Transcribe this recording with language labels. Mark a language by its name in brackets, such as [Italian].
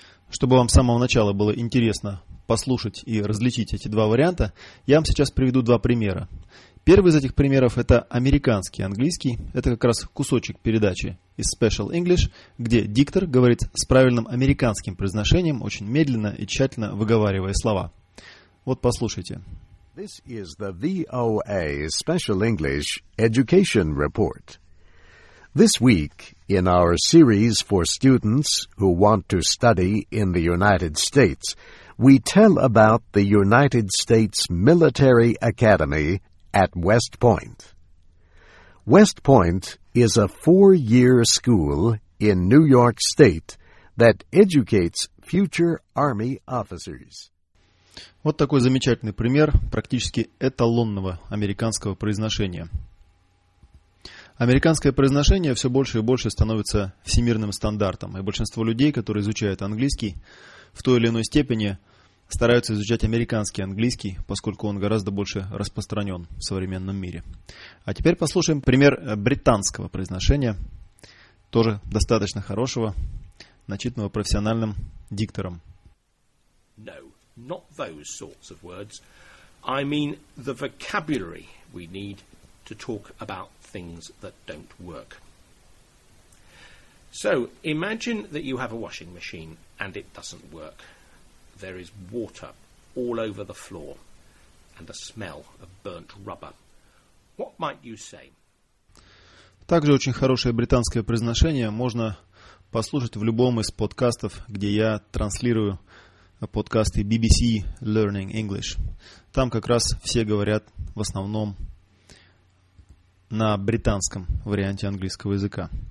[Russian] Чтобы вам с самого начала было интересно послушать и различить эти два варианта, я вам сейчас приведу два примера. Первый из этих примеров – это американский английский. Это как раз кусочек передачи из Special English, где диктор говорит с правильным американским произношением, очень медленно и тщательно выговаривая слова. Вот послушайте. [English] This is the VOA Special English Education Report. This week, in our series for students who want to study in the United States, we tell about the United States Military Academy at West Point. West Point is a four-year school in New York State that educates future Army officers. [Russian] Вот такой замечательный пример практически эталонного американского произношения. Американское произношение все больше и больше становится всемирным стандартом, и большинство людей, которые изучают английский, в той или иной степени стараются изучать американский английский, поскольку он гораздо больше распространен в современном мире. А теперь послушаем пример британского произношения, тоже достаточно хорошего, начитанного профессиональным диктором. [English] No. Not those sorts of words. I mean the vocabulary we need to talk about things that don't work. So imagine that you have a washing machine and it doesn't work. There is water all over the floor and a smell of burnt rubber. What might you say? [Russian] Также очень хорошее британское произношение можно послушать в любом из подкастов, где я транслирую подкасты BBC Learning English. Там как раз все говорят в основном на британском варианте английского языка.